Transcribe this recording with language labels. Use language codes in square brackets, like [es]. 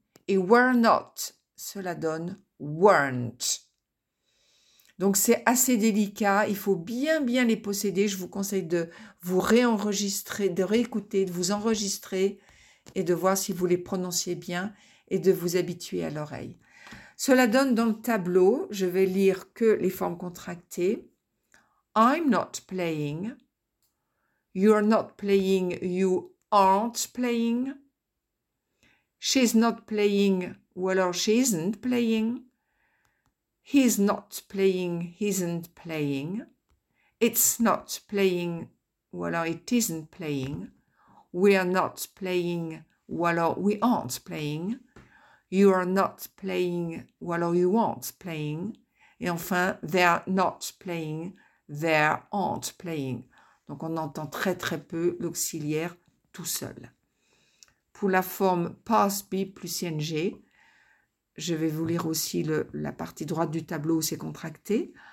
[fr] Et were not, cela donne weren't. Donc, c'est assez délicat. Il faut bien, bien les posséder. Je vous conseille de vous réenregistrer, de réécouter, de vous enregistrer et de voir si vous les prononciez bien et de vous habituer à l'oreille. Cela donne dans le tableau, je vais lire que les formes contractées. [en] I'm not playing. You're not playing. You aren't playing. She's not playing. [fr] Ou alors, [en] she isn't playing. He's not playing, isn't playing. It's not playing, [fr] ou alors [en] it isn't playing. We are not playing, [fr] ou alors [en] we aren't playing. You are not playing, [fr] ou alors [en] you aren't playing. [fr] Et enfin, [en] they're not playing, they aren't playing. [fr] Donc on entend très très peu l'auxiliaire tout seul. Pour la forme past be plus ing, je vais vous lire aussi la partie droite du tableau où c'est contracté.